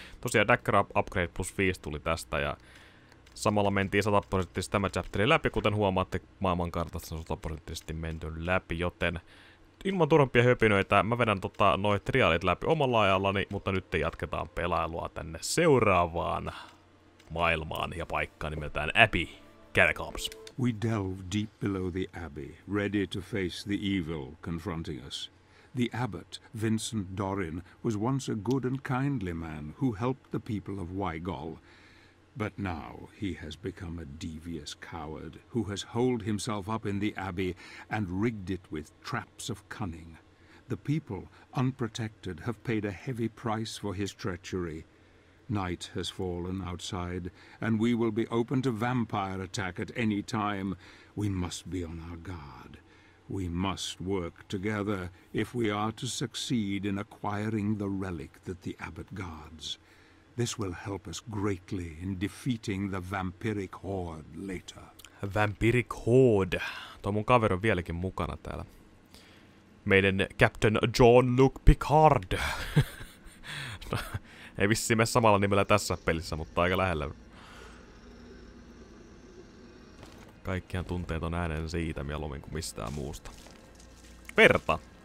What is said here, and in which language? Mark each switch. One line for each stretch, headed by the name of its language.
Finnish: Tosiaan Dagger Upgrade plus 5 tuli tästä ja samalla mentiin 100% tämä chapteri läpi, kuten huomaatte maailmankartassa 100% menty läpi, joten ilman turhempia höpinöitä mä vedän noi trialit läpi omalla ajallani, mutta nyt jatketaan pelailua tänne seuraavaan maailmaan ja paikkaan nimeltään Abbey Catacombs.
English: We delve deep below the Abbey, ready to face the evil confronting us. The abbot, Vincent Dorin, was once a good and kindly man who helped the people of Wygol. But now he has become a devious coward who has holed himself up in the abbey and rigged it with traps of cunning. The people, unprotected, have paid a heavy price for his treachery. Night has fallen outside, and we will be open to vampire attack at any time. We must be on our guard. We must work together if we are to succeed in acquiring the relic that the abbot guards. This will help us greatly in defeating the vampiric horde later. Vampiric horde.
Finnish: Tuo mun kaveri on vieläkin mukana täällä. Meidän Captain Jean-Luc Picard. No, ei vissiin mene samalla nimellä tässä pelissä, mutta aika lähellä. Kaikkihan tunteet on äänen siitä mieluummin kuin mistään muusta. Verta!